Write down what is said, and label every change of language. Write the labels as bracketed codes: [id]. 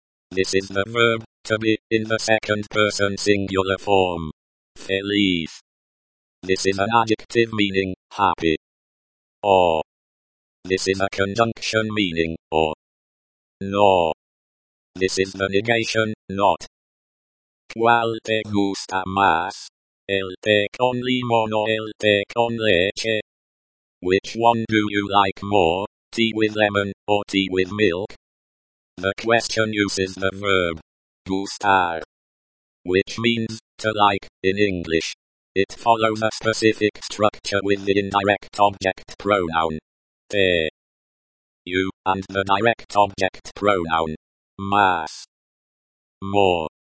[en] This is the verb, to be, in the second person singular form. Feliz. This is an adjective meaning, happy. Or. This is a conjunction meaning, or. Nor. This is the negation, not. [es] ¿Cuál te gusta más? ¿El té con limón o el té con leche? [en] Which one do you like more, tea with lemon, or tea with milk? The question uses the verb, gustar, which means, to like, in English. It follows a specific structure with the indirect object pronoun, te, you, and the direct object pronoun, más, more.